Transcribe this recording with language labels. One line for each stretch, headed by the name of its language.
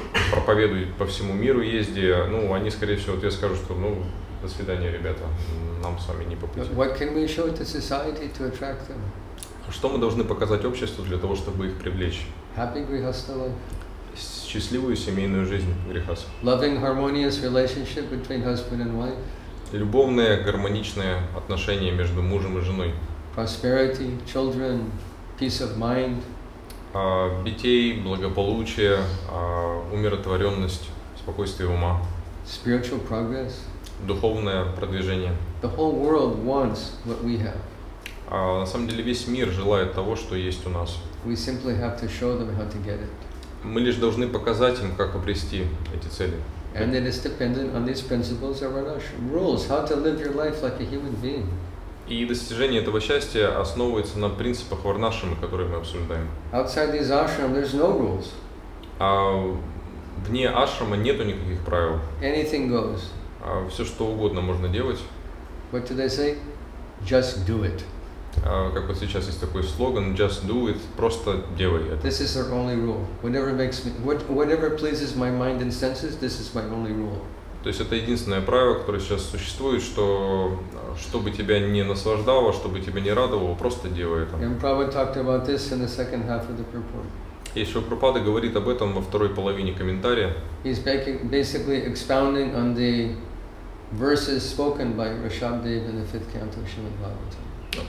Russian: проповедуй по всему миру, езди, ну, они, скорее всего, тебе скажут, что, ну, до свидания, ребята, нам с вами не по пути.
English: What can we show to society to attract them?
Russian: Что мы должны показать обществу для того, чтобы их привлечь?
English: Happy grihastha life.
Russian: Счастливую семейную жизнь, грихаса.
English: Loving harmonious relationship between husband and wife.
Russian: Любовные, гармоничные отношения между мужем и женой.
English: Prosperity, children, peace of mind.
Russian: Детей, благополучие, умиротворенность, спокойствие ума.
English: Spiritual progress.
Russian: Духовное продвижение.
English: The whole world wants what we have.
Russian: На самом деле весь мир желает того, что есть у нас.
English: We simply have to show them how to get it.
Russian: Мы лишь должны показать им, как обрести эти цели.
English: And it is dependent on these principles of Arash, rules, how to live your life like a human being.
Russian: И достижение этого счастья основывается на принципах варнашрамы, которые мы обсуждаем.
English: Outside these ashram, there's no rules.
Russian: А вне ашрама нету никаких правил.
English: Anything goes.
Russian: А все что угодно можно делать.
English: What do they say? Just do it.
Russian: А как вот сейчас есть такой слоган,
English: just do it,
Russian: просто делай это.
English: This is our only rule. Whatever makes me, whatever pleases my mind and senses, this is my only rule.
Russian: То есть это единственное правило, которое сейчас существует, что чтобы тебя не наслаждало, чтобы тебя не радовало, просто делай это.
English: And Prabhupada talked about this in the second half of the purport.
Russian: И Шрила Прабхупада говорит об этом во второй половине комментария.
English: He's basically expounding on the verses spoken by Rishabhdev in the fifth canto of Srimad Bhagavatam.